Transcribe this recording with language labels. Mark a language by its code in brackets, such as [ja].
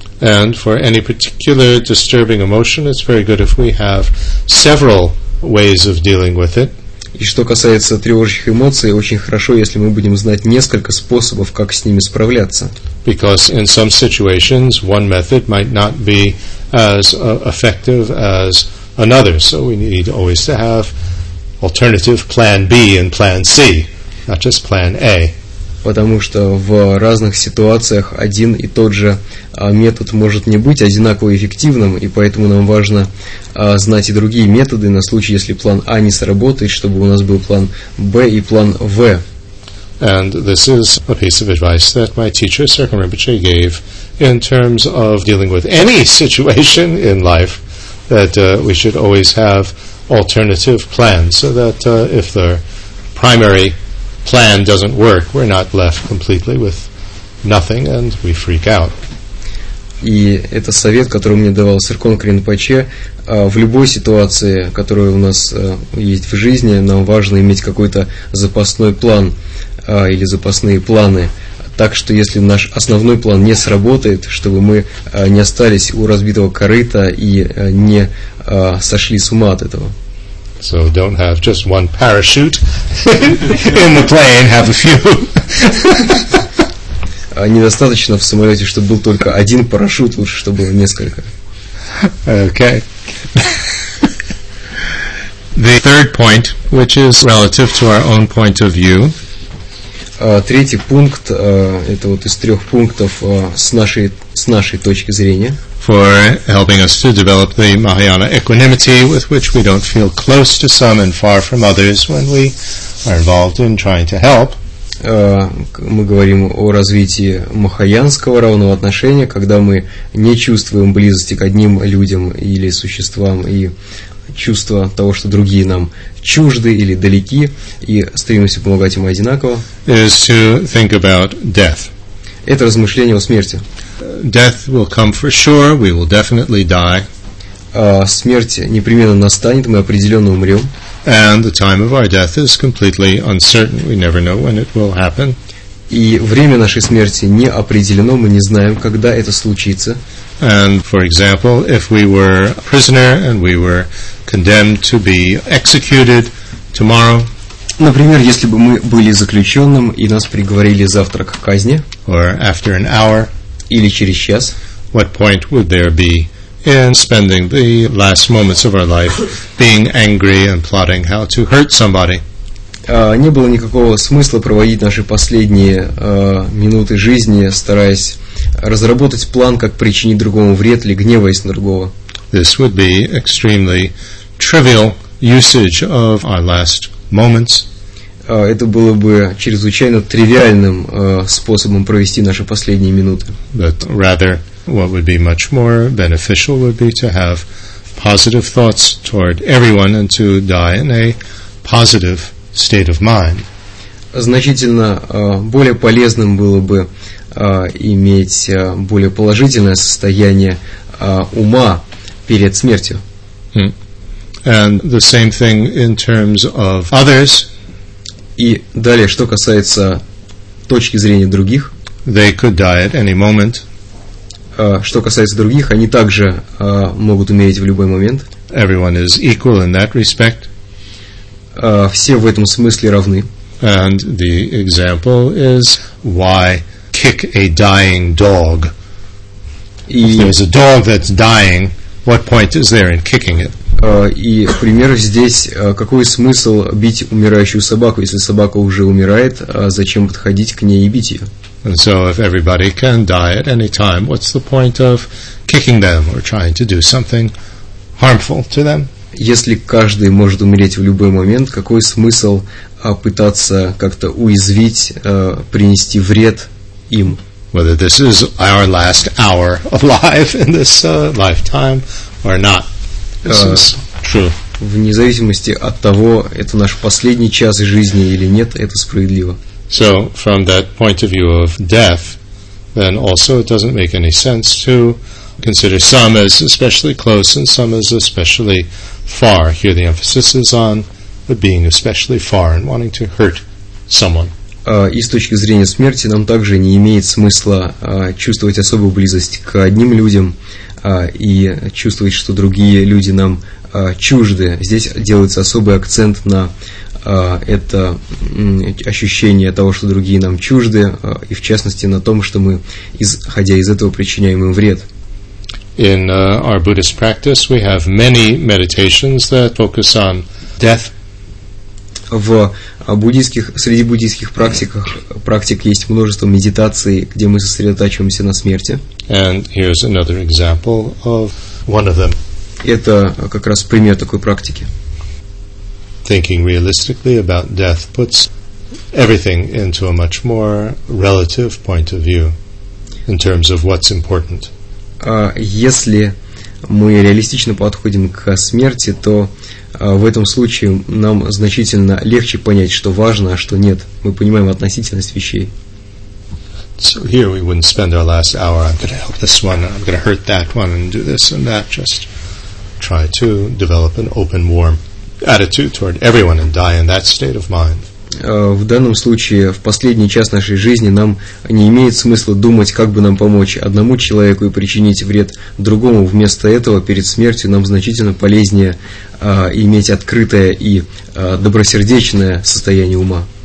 [en] And for any particular disturbing emotion, it's very good if we have several ways of dealing with it. [ru] И что касается тревожащих эмоций, очень хорошо, если мы будем знать несколько способов, как с ними справляться. [en] Because in some situations, one method might not be as effective as another. So we need always to have alternative plan B and plan C, not just plan A. [ru] Потому что в разных ситуациях один и тот же метод может не быть одинаково эффективным, и поэтому нам важно знать и другие методы на случай, если план А не сработает, чтобы у нас был план Б и план В. [en] And this is a piece of advice that my teacher Sirkin Rinpoche gave in terms of dealing with any situation in life, that we should always have alternative plans, so that if the primary plan doesn't work, we're not left completely with nothing and we freak out. [ru] И это совет, который мне давал Сиркон Кринпоче, в любой ситуации, которая у нас есть в жизни, нам важно иметь какой-то запасной план или запасные планы, так что если наш основной план не сработает, чтобы мы не остались у разбитого корыта и не сошли с ума от этого. [en] So don't have just one parachute in the plane, have a few. [ru] Недостаточно в самолете, чтобы был только один парашют, лучше, чтобы было несколько. [en] Okay. The third point, which is relative to our own point of view. [ru] Третий пункт, это вот из трех пунктов с нашей точки зрения. [en] For helping us to develop the Mahayana equanimity with which we don't feel close to some and far from others when we are involved in trying to help. [ru] Мы говорим о развитии махаянского равного отношения, когда мы не чувствуем близости к одним людям или существам и чувство того, что другие нам чужды или далеки, и стремимся помогать им одинаково. [en] Is to think about death. [ru] Это размышление о смерти. [en] Death will come for sure, we will definitely die. [ru] Смерть непременно настанет, мы определенно умрем. [en] And the time of our death is completely uncertain, we never know when it will happen. [ru] И время нашей смерти не определено, мы не знаем, когда это случится. [en] And for example, if we were a prisoner and we were condemned to be executed tomorrow. [ru] Например, если бы мы были заключенным и нас приговорили завтра к казни. [en] Or after an hour. [ru] Или через час. [en] What point would there be in spending the last moments of our life being angry and plotting how to hurt somebody? [ru] Не было никакого смысла проводить наши последние минуты жизни, стараясь разработать план, как причинить другому вред или гневаясь на другого. [en] This would be extremely trivial usage of our last moments. [ru] Это было бы чрезвычайно тривиальным способом провести наши последние минуты. [en] But rather, what would be much more beneficial would be to have positive thoughts toward everyone and to die in a positive state of mind. [ru] Значительно более полезным было бы иметь более положительное состояние ума перед смертью. [en] And the same thing in terms of others. [ru] И далее, что касается точки зрения других. [en] They could die at any moment. [ru] Что касается других, они также могут умереть в любой момент. [en] Everyone is equal in that respect. [ru] Все в этом смысле равны. [en] And the example is why kick a dying dog. [ru] И [en] if there's a dog that's dying, what point is there in kicking it? [ru] И, к примеру, здесь какой смысл бить умирающую собаку, если собака уже умирает, зачем подходить к ней и бить ее? [en] And so if everybody can die at any time, what's the point of kicking them or trying to do something harmful to them? [ru] Если каждый может умереть в любой момент, какой смысл пытаться как-то уязвить, принести вред им? [en] Whether this is our last hour of life in this lifetime or not. [ru] Вне зависимости от того, это наш последний час жизни или нет, это справедливо. [en] So, from that point of view of death, then also it doesn't make any sense to consider some as especially close and some as especially far. Here the emphasis is on the being especially far and wanting to hurt someone. [ru] И с точки зрения смерти нам также не имеет смысла чувствовать особую близость к одним людям и чувствовать, что другие люди нам чужды. Здесь делается особый акцент на это ощущение того, что другие нам чужды, и в частности на том, что мы, исходя из этого, причиняем им вред. [en] In our Buddhist practice we have many meditations that focus on death. [ru] В буддийских, среди буддийских практиках, практик есть множество медитаций, где мы сосредотачиваемся на смерти. [en] And here's another example of one of them. [ru] Это как раз пример такой практики. [en] Thinking realistically about death puts everything into a much more relative point of view in terms of what's important. [ru] Если мы реалистично подходим к смерти, то в этом случае нам значительно легче понять, что важно, а что нет. Мы понимаем относительность вещей. [en] So here we wouldn't spend our last hour, I'm going to help this one, I'm going to hurt that one, and do this and that, just try to develop an open, warm attitude toward everyone and die in that state of mind. [ru] В данном случае, в последний час нашей жизни, нам не имеет смысла думать, как бы нам помочь одному человеку и причинить вред другому. Вместо этого, перед смертью, нам значительно полезнее иметь открытое и добросердечное состояние ума.